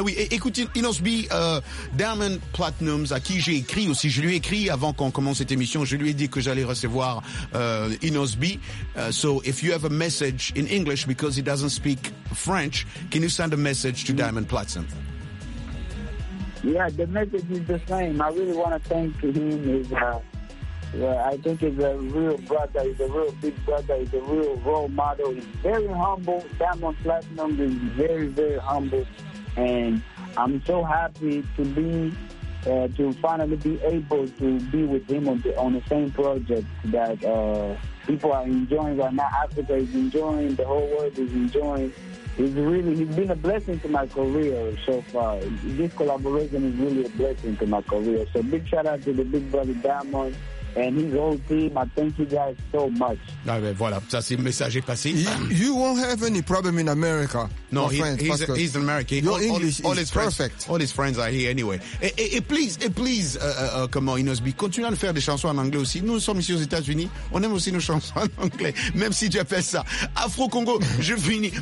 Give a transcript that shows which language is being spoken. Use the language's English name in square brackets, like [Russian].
[French] Écoutez, Inosbi, Diamond Platinums, à qui j'ai écrit aussi, je lui ai écrit avant qu'on commence cette émission, je lui ai dit que j'allais recevoir Inosbi. [English] So if you have a message in English because he doesn't speak French, can you send a message to Diamond Platinum? Yeah, the message is the same. I really want to thank him. I think he's a real brother. He's a real big brother. He's a real role model. He's very humble. Diamond Platinum is very, very humble. And I'm so happy to be, to finally be able to be with him on the same project that people are enjoying right now. Africa is enjoying. The whole world is enjoying. It's really, it's been a blessing to my career so far. This collaboration is really a blessing to my career. So big shout out to the big brother Diamond. And his whole team, I thank you guys so much. [French] Ah, ben voilà, ça c'est le message est passé. [English] You won't have any problem in America. No, he's in America. Your English is perfect. All his friends are here anyway. [French] Et please, comment Inos B, continue à le faire des chansons en anglais aussi. Nous sommes ici aux États-Unis, on aime aussi nos chansons en anglais, même si tu appelles ça Afro-Congo, je finis.